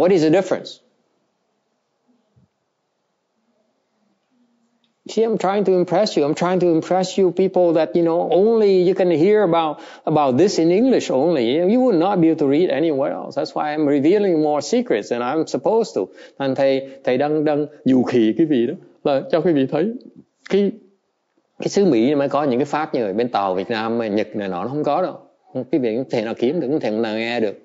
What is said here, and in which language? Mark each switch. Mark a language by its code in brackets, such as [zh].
[en] What is the difference? See, I'm trying to impress you people that, you know, only you can hear about this in English only. You would not be able to read anywhere else. That's why I'm revealing more secrets than I'm supposed to. [vi] And thầy đang dù khỉ quý vị đó, là cho quý vị thấy cái xứ Mỹ mới có những cái pháp như bên Tàu Việt Nam, Nhật này nó không có đâu. Quý vị có thể nào kiếm được, có thể nào nghe được.